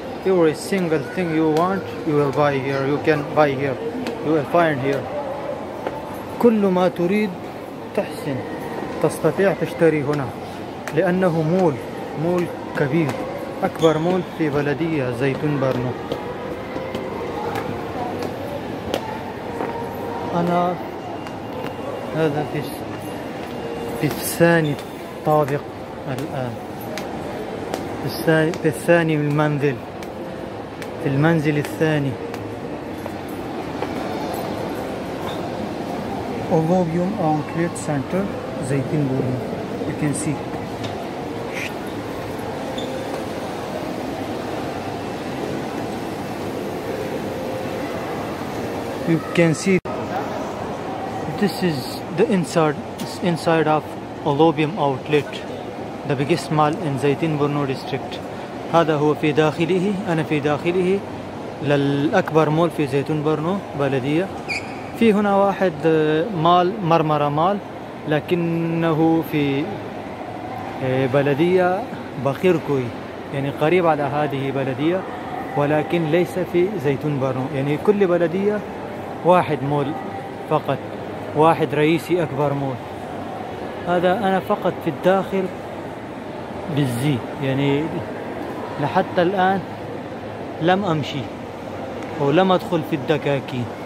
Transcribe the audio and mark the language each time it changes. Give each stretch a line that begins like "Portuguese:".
English: Every single thing you want you will buy here. You can buy here. You will find here.
Arabic: كل ما تريد تحسن تستطيع تشتري هنا لأنه مول كبير أكبر مول في بلدية زيتونبرنو. أنا هذا في الثاني طابق الآن في الثاني المنزل في المنزل الثاني.
English: Olivium Outlet Center, Zeytinburnu. You can see. You can see. This is the inside of Olivium Outlet, the biggest mall in Zeytinburnu district.
Arabic: هذا هو في داخله. أنا في داخله للأكبر مول في زيتونبرنو بلدية. في هنا واحد مال مرمرة مال لكنه في بلدية بخيركوي يعني قريب على هذه بلدية ولكن ليس في زيتونبرنو يعني كل بلدية واحد مول فقط واحد رئيسي أكبر مول هذا أنا فقط في الداخل بالزي يعني لحتى الآن لم أمشي ولم أدخل في الدكاكين.